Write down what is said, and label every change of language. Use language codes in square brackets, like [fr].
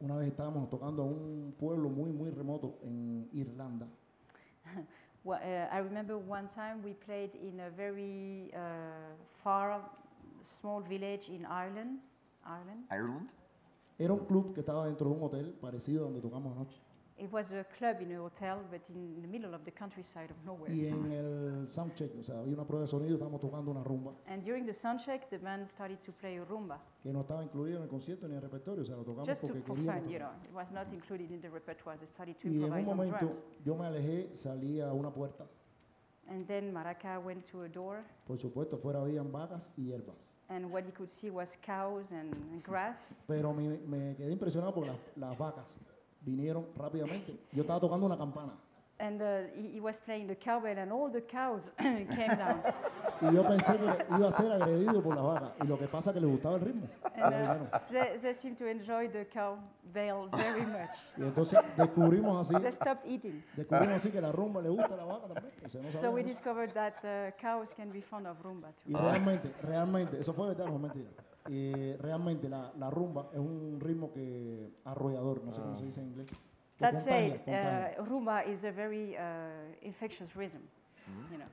[es] Una vez estábamos tocando a un pueblo muy muy remoto en Irlanda. [en] Well, I remember one time we played in a very far small village in Ireland. Ireland? [es] Era un club que estaba dentro de un hotel parecido a donde tocamos anoche. [en] It was a club in a hotel, but in the middle of the countryside of nowhere. [es] Y en el soundcheck, o sea, había una prueba de sonido, estábamos tocando una rumba. [en] And during the soundcheck, the band started to play a rumba. [es] Que no estaba incluido en el concierto ni en el repertorio, o sea, lo tocamos [en] just [es] porque queríamos. [en] Just for fun, tocar. You know, it was not included in the repertoire. They started to [es] y [en] improvise [es] en un momento, [en] on drums. [es] Yo me alejé, salí a una puerta. [en] And then Maraca went to a door. [es] Por supuesto, fuera habían vacas y hierbas. [en] And what he could see was cows and grass. [es] Pero me quedé impresionado por las vacas. Vinieron rápidamente. Yo estaba tocando una campana. [en] And he was playing the cowbell and all the cows came down. [es] Y yo pensé que iba a ser agredido por las vacas. Y lo que pasa es que les gustaba el ritmo. [en] They seemed to enjoy the cowbell very much. [es] Y entonces descubrimos así. [en] They stopped eating. [es] Descubrimos así que la rumba le gusta a la vaca también. O sea, no [en] so we discovered that cows can be fond of rumba too. [es] Y realmente, eso fue verdad, no mentira. Realmente la rumba es un ritmo que arrollador, no sé cómo se dice en inglés. [en] That's it. Rumba is a very infectious rhythm. Mm-hmm. You know.